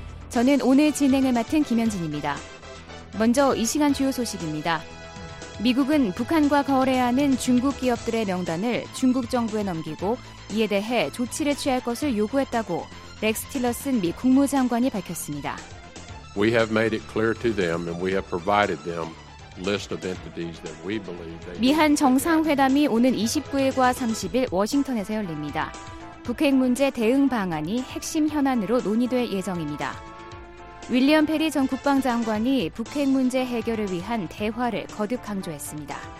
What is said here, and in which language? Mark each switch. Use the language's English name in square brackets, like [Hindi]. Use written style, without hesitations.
[Korean] 저는 오늘 진행을 맡은 김현진입니다. 먼저 이 시간 주요 소식입니다. 미국은 북한과 거래하는 중국 기업들의 명단을 중국 정부에 넘기고 이에 대해 조치를 취할 것을 요구했다고 렉스 틸러슨 미 국무장관이 밝혔습니다. [English] We have made it clear to them and we have provided them list of entities that we believe they [Korean] 미한 정상회담이 오는 29일과 30일 워싱턴에서 열립니다. 북핵 문제 대응 방안이 핵심 현안으로 논의될 예정입니다. 윌리엄 페리 전 국방장관이 북핵 문제 해결을 위한 대화를 거듭 강조했습니다.